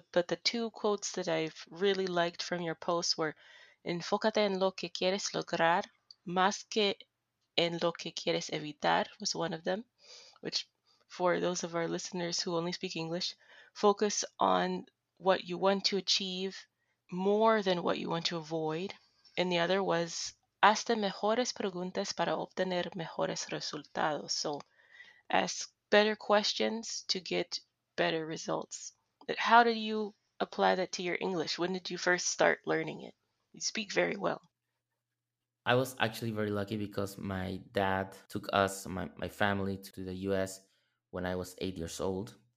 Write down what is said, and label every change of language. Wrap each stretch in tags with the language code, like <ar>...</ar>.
<en>But the two quotes that I've really liked from your post were,</en> <es>"Enfócate en lo que quieres lograr más que en lo que quieres evitar,"</es> <en>was one of them, which for those of our listeners who only speak English, focus on what you want to achieve more than what you want to avoid. And the other was,</en> <es>"Hazte mejores preguntas para obtener mejores resultados."</es> <en>So ask better questions to get better results. But how did you apply that to your English? When did you first start learning it? You speak very well. I was actually very lucky because my dad took us, my family, to the US when I was 8 years old.</en>